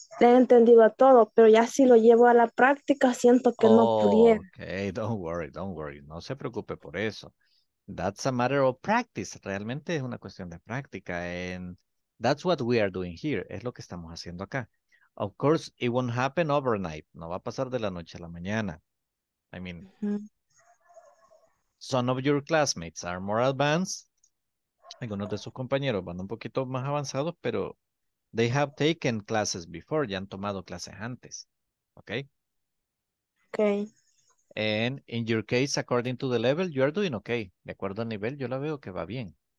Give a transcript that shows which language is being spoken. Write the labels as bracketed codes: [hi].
[es] Le he entendido a todo, pero ya si lo llevo a la práctica, siento que no pudiera. [en] Okay, don't worry, don't worry. [es] No se preocupe por eso. [en] That's a matter of practice. [es] Realmente es una cuestión de práctica. [en] And that's what we are doing here. [es] Es lo que estamos haciendo acá. [en] Of course, it won't happen overnight. [es] No va a pasar de la noche a la mañana. [en] I mean, some of your classmates are more advanced. [es] Algunos de sus compañeros van un poquito más avanzados, pero... [en] They have taken classes before, [es] ya han tomado clases antes, [en] okay? Okay. And in your case, according to the level, you are doing okay. [es] De acuerdo al nivel, yo la veo que va bien.